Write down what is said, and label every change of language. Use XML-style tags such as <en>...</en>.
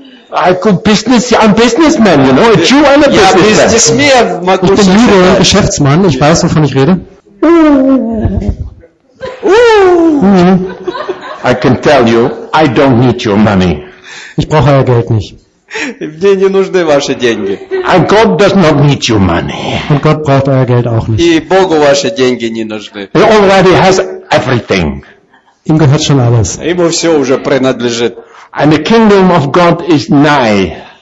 <en>I could business, I'm a businessman, you know, a Jew and a businessman.</en> <de>Ich bin Jude, Geschäftsmann, ich weiß, wovon ich rede.</de> <en>I can tell you, I don't need your money.</en> <de>Ich brauche euer Geld nicht.</de> <ru>Мне не нужны ваши деньги.</ru> <en>And God does not need your money.</en> <de>Und Gott braucht euer Geld auch nicht.</de> <ru>И Богу ваши деньги не нужны.</ru> <en>He already has everything.</en> <de>Ihm gehört schon alles.</de> <ru>Ему все уже принадлежит.</ru> <en>And the kingdom of God is nigh.</en>